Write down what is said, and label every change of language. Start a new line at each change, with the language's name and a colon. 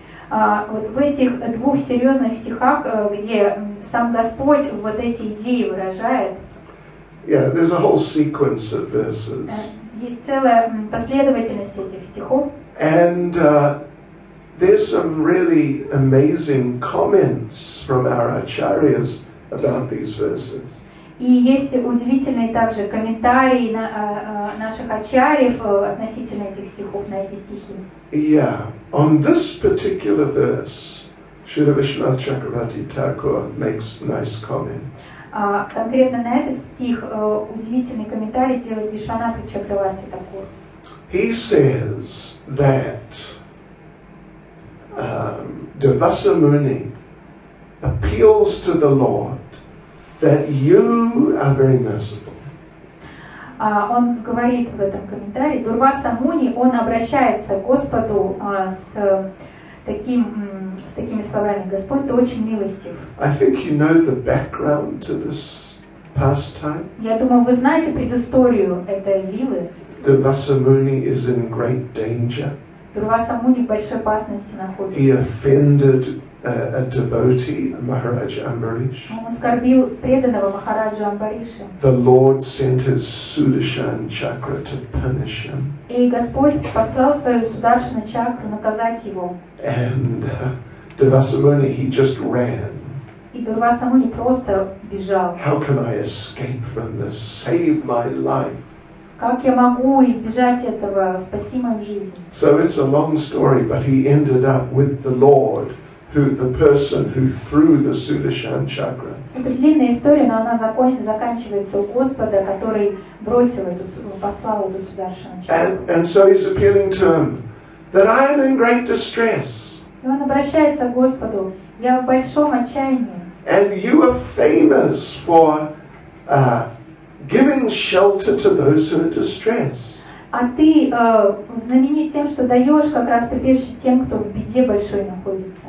Russian: Вот в этих двух серьезных стихах, где сам Господь вот эти идеи выражает.
English: Yeah, there's a whole sequence of verses.
Russian: Есть целая последовательность этих стихов.
English: And there's some really amazing comments from our acharyas about these verses.
Russian: И есть удивительные также комментарии на наших ачарьев относительно этих стихов, на эти стихи.
English: Yeah, on this particular verse, Śrīla Viśvanātha Chakravarti Thakura makes nice comment.
Russian: Конкретно на этот стих удивительный комментарий делает Вишванатха Чакраварти Такур.
English: He says that Devasa Muni appeals to the Lord that you are very merciful.
Russian: Он говорит в этом комментарии, Дурваса Муни, он обращается к Господу с такими словами: Господь, ты очень милостив.
English: I think you know the background to this pastime.
Russian: Я думаю, вы знаете предысторию этой лилы.
English: Devasa Muni is in great danger.
Russian: Дурваса Муни в большой опасности находится.
English: He offended a devotee, Maharaj Ambarish.
Russian: Он оскорбил преданного Махараджа Амбариша.
English: The Lord sent his Sudarshan Chakra to punish him.
Russian: И Господь послал свою Сударшану Чакру наказать его.
English: And Devasa Muni, he just ran.
Russian: И Дурваса Муни просто бежал.
English: How can I escape from this? Save my life.
Russian: Как я могу избежать этого? Спаси мою жизнь.
English: So it's a long story, but he ended up with the Lord, who the person who threw the Sudarshan Chakra.
Russian: Это длинная история, но она заканчивается у Господа, который бросил эту, послал эту Сударшану Чакру.
English: And so he's appealing to him that I am in great distress.
Russian: И он обращается к Господу: я в большом отчаянии.
English: And you are famous for giving shelter to those who are distressed.
Russian: А ты знаменит тем, что даешь как раз прибежище тем, кто в беде большой находится.